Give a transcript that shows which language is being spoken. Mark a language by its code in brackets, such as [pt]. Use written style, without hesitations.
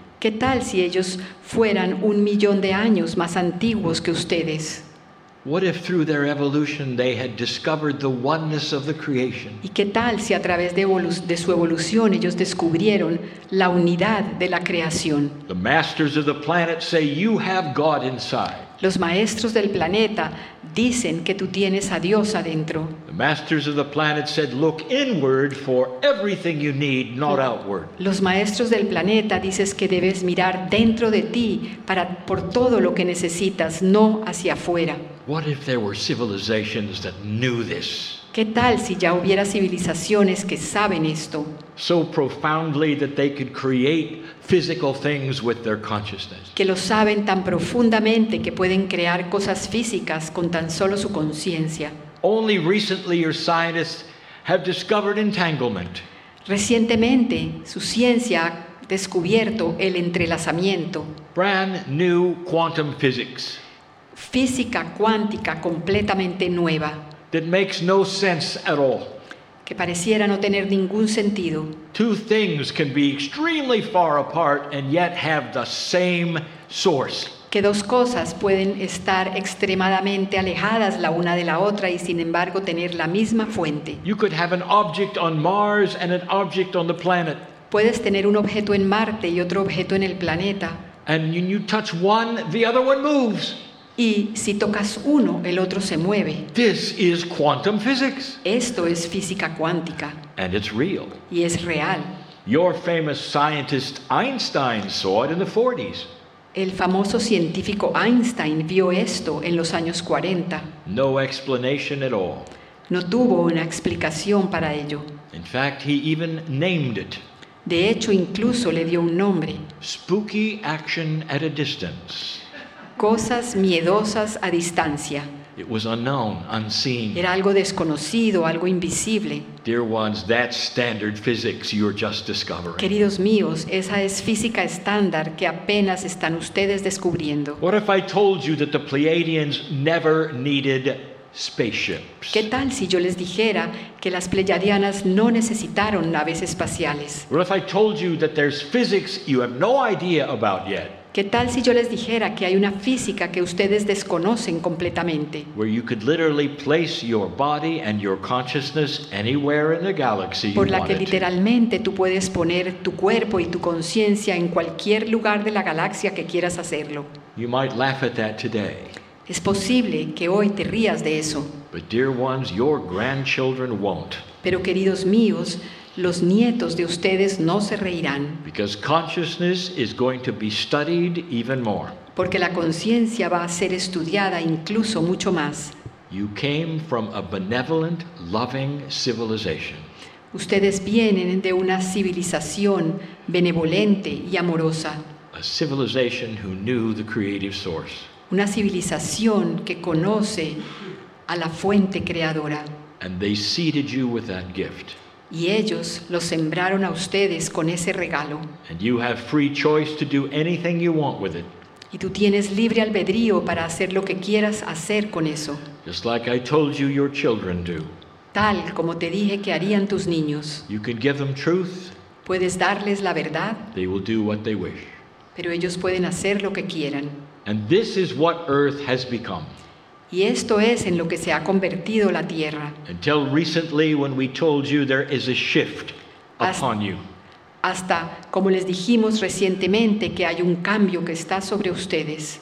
[es] ¿Qué tal si ellos fueran 1 millón de años más antiguos que ustedes? [en] What if through their evolution they had discovered the oneness of the creation? [es] ¿Y qué tal si a través de su evolución ellos descubrieron la unidad de la creación? [en] The masters of the planet say you have God inside. [es] Los maestros del planeta dicen que tú tienes a Dios adentro. [en] The masters of the planet said, look inward for everything you need, not outward. [es] Los maestros del planeta dices que debes mirar dentro de ti para por todo lo que necesitas, no hacia afuera. [en] What if there were civilizations that knew this? [es] ¿Qué tal si ya hubiera civilizaciones que saben esto? [en] So profoundly that they could create physical things with their consciousness. [es] Que lo saben tan profundamente que pueden crear cosas físicas con tan solo su conciencia. [en] Only recently your scientists have discovered entanglement. [es] Recientemente su ciencia ha descubierto el entrelazamiento. [en] Brand new quantum physics. [es] Física cuántica completamente nueva. [en] That makes no sense at all. [es] Que pareciera no tener ningún sentido. [en] Two things can be extremely far apart and yet have the same source. [es] Que dos cosas pueden estar extremadamente alejadas la una de la otra y sin embargo tener la misma fuente. [en] You could have an object on Mars and an object on the planet. [es] Puedes tener un objeto en Marte y otro objeto en el planeta. [en] And when you touch one, the other one moves. [es] Y si tocas uno, el otro se mueve. [en] This is quantum physics. [es] Esto es física cuántica. [en] And it's real. [es] Y es real. [en] Your famous scientist Einstein saw it in the 40s. [es] El famoso científico Einstein vio esto en los años 40. [en] No explanation at all. [es] No tuvo una explicación para ello. [en] In fact, he even named it. [es] De hecho, incluso le dio un nombre. [en] Spooky action at a distance. [es] Cosas miedosas a distancia. [en] It was unknown, unseen. [es] Era algo desconocido, algo invisible. [en] Dear ones, that's standard physics you're just discovering. [es] Queridos míos, esa es física estándar que apenas están ustedes descubriendo. [en] What if I told you that the Pleiadians never needed spaceships? [es] ¿Qué tal si yo les dijera que las Pleiadianas no necesitaron naves espaciales? [en] What if I told you that there's physics you have no idea about yet? [es] ¿Qué tal si yo les dijera que hay una física que ustedes desconocen completamente? [en] Where you could literally place your body and your consciousness anywhere in the galaxy you want. [es] Por la que literalmente tú puedes poner tu cuerpo y tu conciencia en cualquier lugar de la galaxia que quieras hacerlo. [en] You might laugh at that today. [es] Es posible que hoy te rías de eso. [en] But dear ones, your grandchildren won't. [es] Pero queridos míos, los nietos de ustedes no se reirán. [en] Because consciousness is going to be studied even more. [es] Porque la conciencia va a ser estudiada incluso mucho más. [en] You came from a benevolent, loving civilization. [es] Ustedes vienen de una civilización benevolente y amorosa. [en] A civilization who knew the creative source. [es] Una civilización que conoce a la fuente creadora. [en] And they seeded you with that gift. [es] Y ellos lo sembraron a ustedes con ese regalo. [en] And you have free choice to do anything you want with it. [es] Y tú tienes libre albedrío para hacer lo que quieras hacer con eso. [en] Just like I told you your children do. [es] Tal como te dije que harían tus niños. [en] You can give them truth. [es] Puedes darles la verdad. [en] They will do what they wish. [es] Pero ellos pueden hacer lo que quieran. [en] And this is what Earth has become. [es] Y esto es en lo que se ha convertido la Tierra. [en] Until recently when we told you there is a shift upon you. [es] Hasta como les dijimos recientemente que hay un cambio que está sobre ustedes.